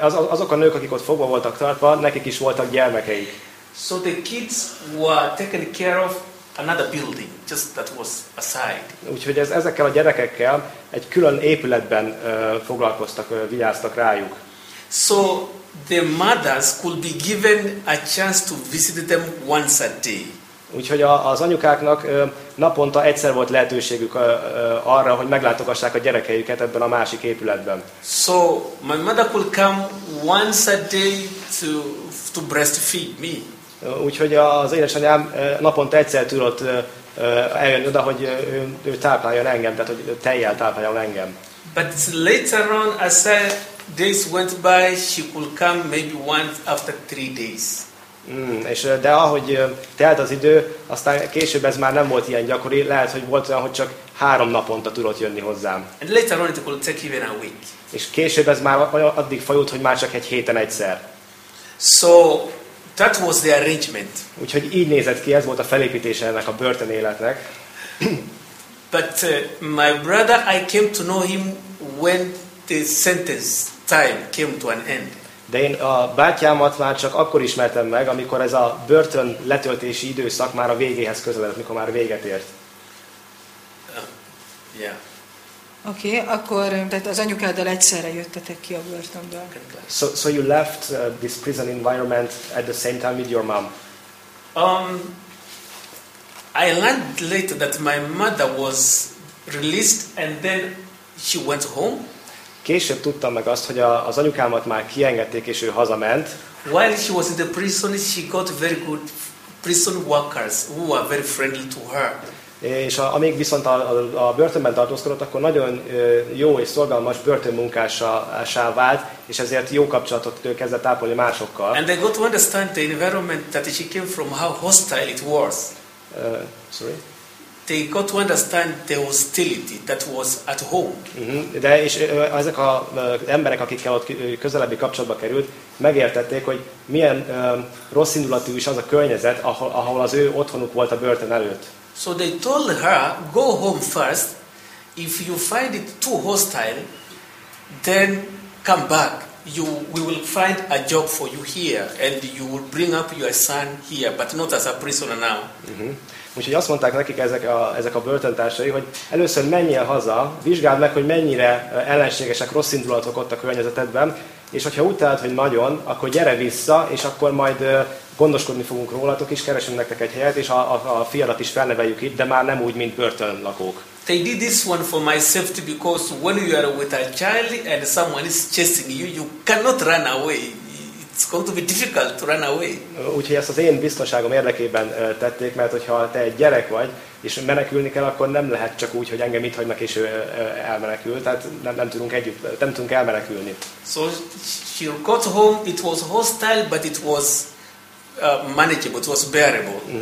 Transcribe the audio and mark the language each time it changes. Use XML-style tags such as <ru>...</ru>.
<hu>Azok a nők, akik ott fogva voltak tartva, nekik is voltak gyermekeik.</hu> <en>So the kids were taken care of another building, just that was aside.</en> <hu>Úgyhogy ezekkel a gyerekekkel egy külön épületben foglalkoztak, vigyáztak rájuk.</hu> <en>So the mothers could be given a chance to visit them once a day.</en> <hu>Úgyhogy az anyukáknak naponta egyszer volt lehetőségük arra, hogy meglátogassák a gyerekeiket ebben a másik épületben.</hu> <en>So my mother could come once a day to breastfeed me.</en> <hu>Úgyhogy az édesanyám naponta egyszer tudott eljönni oda, hogy ő tápláljon engem, tehát hogy tejjel tápláljon engem.</hu> <en>But later on, I said, days went by, she could come maybe once after 3 days.</en> <hu>És de ahogy telt az idő, aztán később ez már nem volt ilyen gyakori, lehet, hogy volt olyan, hogy csak 3 naponta tudott jönni hozzám.</hu> <en>And later on it could take even a week.</en> <hu>És később ez már addig fajult, hogy már csak egy héten egyszer.</hu> <en>So that was the arrangement.</en> <hu>Úgyhogy így nézett ki, ez volt a felépítése ennek a börtön életnek.</hu> <en>But my brother, I came to know him when the sentence time came to an end.</en> <hu>De én a bátyámat már csak akkor ismertem meg, amikor ez a börtön letöltési időszak már a végéhez közeledett, mikor már véget ért.</hu> <en>Yeah.</en> <hu>Okay, akkor tehát az anyukáddal egyszerre jöttetek ki a börtönből.</hu> <en>So you left this prison environment at the same time with your mom. I learned later that my mother was released and then she went home.</en> <hu>Később tudtam meg azt, hogy az anyukámat már kiengedték, és ő hazament.</hu> <en>While she was in the prison, she got very good prison workers who were very friendly to her.</en> <hu>És amíg viszont a börtönben tartózkodott, akkor nagyon jó és szorgalmas börtönmunkássá vált, és ezért jó kapcsolatot kezdett ápolni másokkal.</hu> <en>And they got to understand the environment that she came from, how hostile it was. Sorry. they got to understand the hostility that was at home.</en> <hu>De és ezek az emberek, akikkel ott közelebbi kapcsolatba került, megértették, hogy milyen rossz indulatú is az a környezet, ahol az ő otthonuk volt a börtön előtt.</hu> <en>So they told her, go home first. If you find it too hostile, then come back. We will find a job for you here, and you will bring up your son here, but not as a prisoner now.</en> <hu>Úgyhogy azt mondták nekik ezek a börtöntársai, hogy először menjél haza, vizsgáld meg, hogy mennyire ellenségesek, rossz indulatok ott a környezetedben, és hogyha úgy találod, hogy nagyon, akkor gyere vissza, és akkor majd gondoskodni fogunk rólatok is, keresünk nektek egy helyet, és a fiadat is felneveljük itt, de már nem úgy, mint börtönlakók.</hu> <en>They did this one for my safety because when you are with a child and someone is chasing you, you cannot run away. It's going to be difficult to run away.</en> <hu>Úgyhogy ezt az én biztonságom érdekében tették, mert hogyha te egy gyerek vagy, és menekülni kell, akkor nem lehet csak úgy, hogy engem itt hagynak, és ő elmenekül. Tehát nem tudunk elmenekülni.</hu> <en>So she got home, it was hostile, but it was manageable, it was bearable.</en>